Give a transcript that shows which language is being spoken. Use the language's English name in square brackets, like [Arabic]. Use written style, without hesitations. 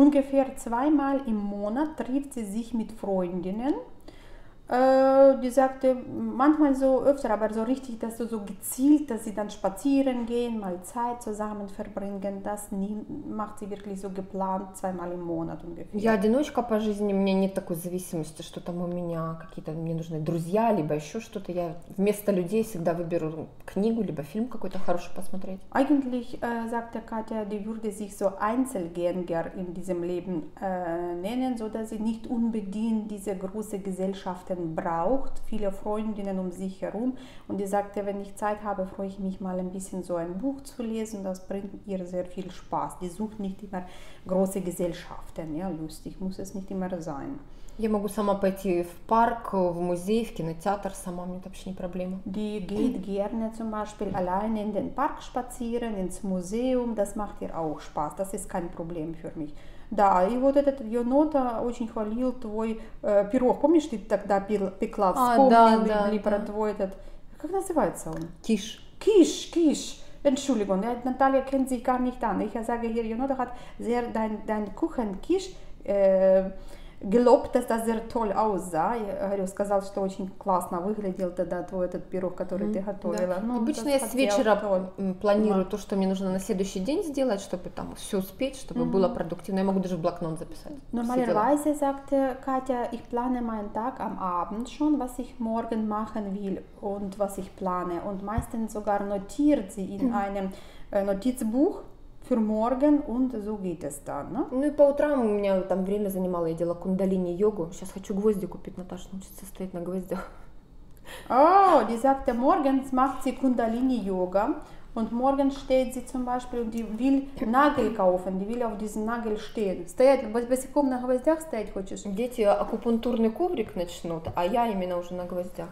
[German] Ungefähr zweimal im Monat trifft sie sich mit Freundinnen. Die sagte, manchmal so öfter, aber so richtig, dass du so gezielt, dass sie dann spazieren gehen, mal Zeit zusammen verbringen, das macht sie wirklich so geplant, 2-mal im Monat ungefähr. [Russian] Я одиночка по жизни, у меня нет такой зависимости, что там у меня какие-то, мне нужны друзья, либо еще что-то, я вместо людей всегда выберу книгу, либо фильм какой-то хороший посмотреть. [German] Eigentlich, sagte Katja, die würde sich so Einzelgänger in diesem Leben nennen, so dass sie nicht unbedingt diese große Gesellschaft braucht, viele Freundinnen um sich herum und die sagte, wenn ich Zeit habe, freue ich mich mal ein bisschen so ein Buch zu lesen, das bringt ihr sehr viel Spaß. Die sucht nicht immer große Gesellschaften, ja, lustig, muss es nicht immer sein. [Russian] Я могу сама пойти в парк, в музей, в кинотеатр сама, у меня вообще не проблема. [German] Die geht gerne zum Beispiel alleine in den Park spazieren, ins Museum, das macht ihr auch Spaß, das ist kein Problem für mich. [Russian] Да, и вот этот Йонота очень хвалил твой пирог. Помнишь, ты тогда пекла, вспомнили про твой этот... Как называется он? Киш. Киш, киш. [German] Entschuldigung, Наталья kennt sich gar nicht an. Ich sage hier, Йонота hat sehr dein Kuchen Киш gelobt, dass das sehr toll aussah. [Russian] Я говорю, сказал, что очень классно выглядел тогда твой этот пирог, который ты готовила. Да. Ну, обычно я с вечера планирую то, что мне нужно на следующий день сделать, чтобы там все успеть, чтобы было продуктивно. Я могу даже в блокнот записать. [German] Normalerweise sagt Katja, ich plane meinen Tag am Abend schon, was ich morgen machen will und was ich plane. Und meistens sogar notiert sie in einem Notizbuch. Für morgen und so geht es dann, ne? [Russian] Ну и по утрам у меня там время занимало, я делала кундалини йогу. Сейчас хочу гвозди купить, Наташа научится стоять на гвоздях. [German] Oh, die sagte, morgens macht sie Kundalini Yoga und morgens steht sie zum Beispiel und die will Nagel kaufen, die will auf diesen Nagel stehen. [Russian] Стоять, босиком на гвоздях стоять хочешь? Дети акупунктурный коврик начнут, а я именно уже на гвоздях.